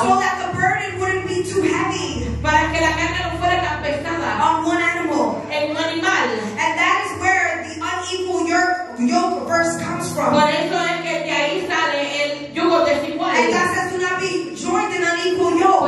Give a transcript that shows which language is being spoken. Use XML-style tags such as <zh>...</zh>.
<en>So that the burden wouldn't be too heavy.</en> <es>Para que la carga no fuera tan pesada.</es> <en>On one animal.</en> <es>En un animal.</es> <en>And that is where the unequal yoke verse comes from.</en> <es>Por eso es que de ahí sale el yugo desigual.</es> <en>And God says, do not be joined in unequal yoke.</en>